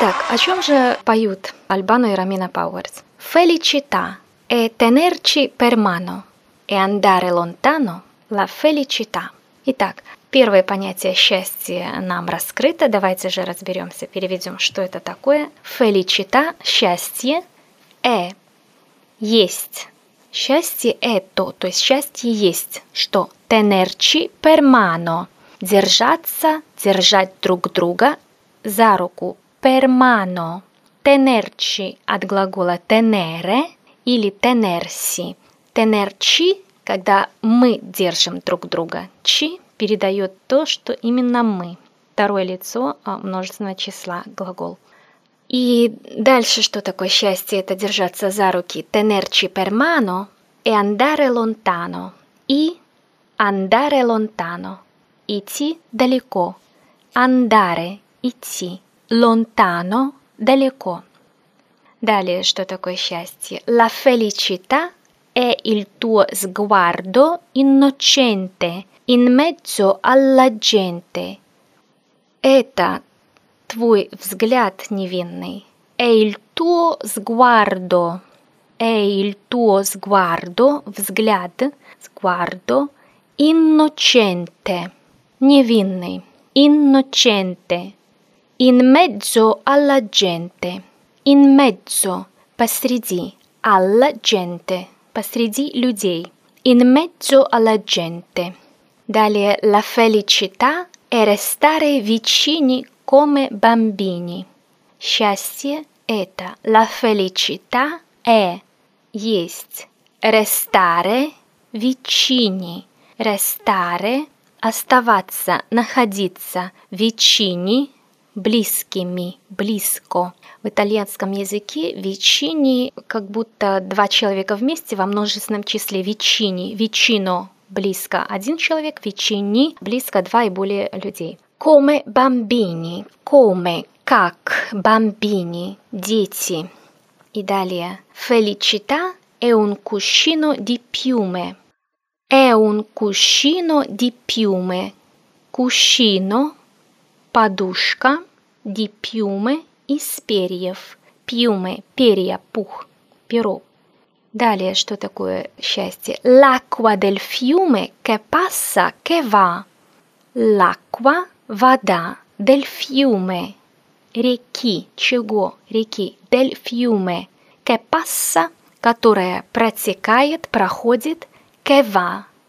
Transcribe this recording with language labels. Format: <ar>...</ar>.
<ru>О чем же поют Альбано и Ромина Пауэрс?</ru> <it>Felicità è tenerci per mano e andare lontano la felicità.</it> <ru>Итак, первое понятие счастья нам раскрыто. Давайте же разберемся, переведем, что это такое.</ru> <it>Felicità</it> <ru>– счастье.</ru> <it>È</it> <ru>– есть. Счастье – это, то есть счастье есть. Что?</ru> <it>Tenerci per mano</it> <ru>– держаться, держать друг друга за руку.</ru> <it>Per mano, tenerci</it> <ru>от глагола</ru> <it>tenere</it> <ru>или</ru> <it>tenersi. Tenerci,</it> <ru>когда мы держим друг друга.</ru> <it>Ci</it> <ru>передает то, что именно мы. Второе лицо множественного числа, глагол. И дальше что такое счастье? Это держаться за руки.</ru> <it>Tenerci per mano e andare lontano.</it> <ru>И</ru> <it>andare lontano.</it> <ru>Идти далеко.</ru> <it>Andare</it> <ru>– идти.</ru> <it>Lontano</it> <ru>– далеко. Далее, что такое счастье?</ru> <it>La felicità è il tuo sguardo innocente in mezzo alla gente.</it> <ru>Это твой взгляд невинный.</ru> <it>È il tuo sguardo. È il tuo sguardo –</it> <ru>взгляд.</ru> <it>Sguardo – innocente.</it> <ru>Невинный.</ru> <it>Innocente. In mezzo alla gente. In mezzo –</it> <ru>посреди.</ru> <it>Alla gente –</it> <ru>посреди людей.</ru> <it>In mezzo alla gente.</it> <ru>Далее,</ru> <it>la felicità è restare vicini come bambini.</it> <ru>Счастье – это.</ru> <it>La felicità è –</it> <ru>есть.</ru> <it>Restare vicini. Restare</it> <ru>– оставаться, находиться</ru> <it>vicini,</it> <ru>близкими, близко. В итальянском языке</ru> <it>vicini,</it> <ru>как будто два человека вместе во множественном числе</ru> <it>vicini, vicino,</it> <ru>близко один человек,</ru> <it>vicini,</it> <ru>близко два и более людей.</ru> <it>Come bambini, come,</it> <ru>как,</ru> <it>bambini,</it> <ru>дети. И далее,</ru> <it>felicità è un cuscino di piume. È un cuscino di piume. Cuscino</it> <ru>– подушка,</ru> <it>di piume</it> <ru>– из перьев.</ru> <it>Piume</it> <ru>– перья, пух, перо. Далее, что такое счастье?</ru> <it>L'acqua del fiume che passa, che va. L'acqua –</it> <ru>вода,</ru> <it>del fiume –</it> <ru>реки, чего, реки,</ru> <it>del fiume – che passa,</it> <ru>которая протекает, проходит,</ru> <it>che va.</it>